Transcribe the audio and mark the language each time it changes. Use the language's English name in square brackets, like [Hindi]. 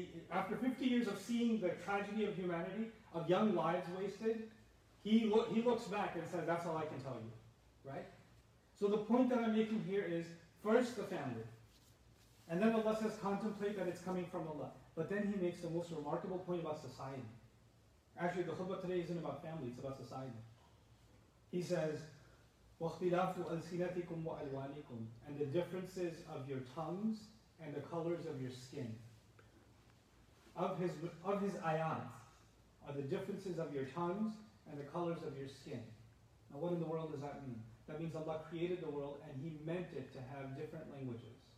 [English] After 50 years of seeing the tragedy of humanity, of young lives wasted, he looks back and says, that's all I can tell you, right? So the point that I'm making here is, first the family. And then Allah says, contemplate that it's coming from Allah. But then He makes the most remarkable point about society. Actually, the khutbah today isn't about family, it's about society. He says, [Arabic] وَاخْتِلَافُ أَلْسِنَتِكُمْ وَأَلْوَانِكُمْ. [English] And the differences of your tongues and the colors of your skin. Of his ayat are the differences of your tongues and the colors of your skin. Now what in the world does that mean? That means Allah created the world and He meant it to have different languages.